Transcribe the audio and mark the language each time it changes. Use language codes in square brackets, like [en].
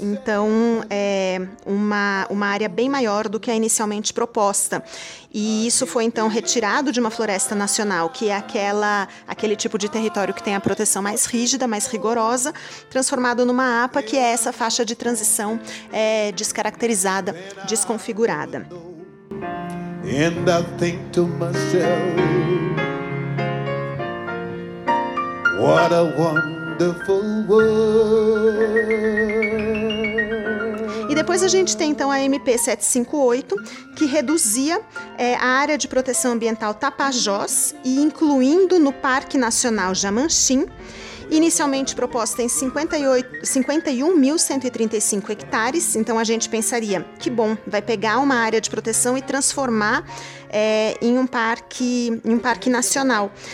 [pt] Então, uma área bem maior do que a inicialmente proposta. E isso foi então retirado de uma Floresta Nacional, que é aquele tipo de território que tem a proteção mais rígida, mais rigorosa, transformado numa APA, que é essa faixa de transição descaracterizada, desconfigurada. [en] And I think to myself, what a wonderful world. [pt] E depois a gente tem então a MP758, que reduzia a área de proteção ambiental Tapajós e incluindo no Parque Nacional Jamanchim. Inicialmente proposta em 51.135 hectares, então a gente pensaria, que bom, vai pegar uma área de proteção e transformar em um parque nacional.